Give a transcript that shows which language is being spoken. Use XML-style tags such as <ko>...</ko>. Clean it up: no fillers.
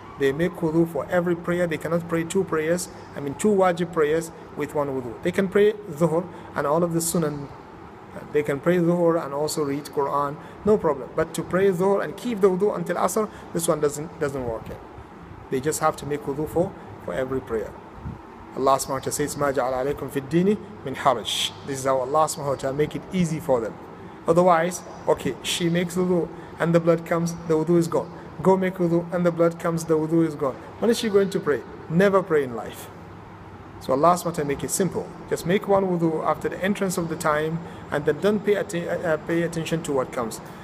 <en>They make wudu for every prayer. They cannot pray two wajib prayers with one wudu. They can pray Dhuhr and all of the sunan. They can pray Dhuhr and also read Quran, no problem. But to pray Dhuhr and keep the wudu until Asr, this one doesn't work yet. They just have to make wudu for every prayer.</en> <ar>Allah subhanahu wa ta'ala</ar> <en>says,</en> <ar>مَا جَعَلَ عَلَيْكُمْ فِي الدِّينِ مِنْ حَرَجٍ.</ar> <en>This is how Allah</en> <ar>subhanahu wa ta'ala</ar> <en>make it easy for them. Otherwise, okay, she makes wudu and the blood comes, the wudu is gone. Go make wudu and the blood comes, the wudu is gone. When is she going to pray? Never pray in life. So Allah</en> <ar>subhanahu wa ta'ala</ar> <en>make it simple. Just make one wudu after the entrance of the time, and then don't pay attention to what comes.</en>